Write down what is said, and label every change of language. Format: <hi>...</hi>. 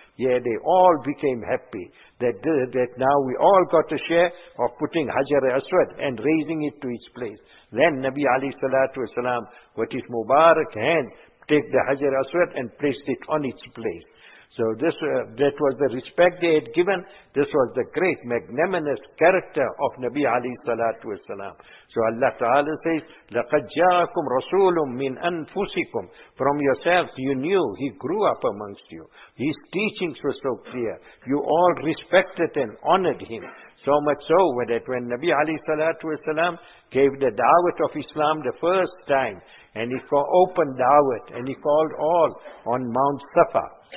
<en>Yeah, they all became happy that now we all got a share of putting Hajar Aswad and raising it to its place. Then Nabi alayhi salatu wasalam with his Mubarak hand take the Hajar Aswad and placed it on its place. So this that was the respect they had given. This was the great magnanimous character of Nabi alayhi salatu wasalam. So Allah Ta'ala says,</en> <ar>لَقَدْ جَاءَكُمْ رَسُولٌ مِّنْ أَنفُسِكُمْ.</ar> <en>From yourselves you knew, he grew up amongst you. His teachings were so clear. You all respected and honored him. So much so that when Nabi alayhi salatu wasalam gave the da'wat of Islam the first time, and he opened da'wat, and he called all on Mount Safa.</en>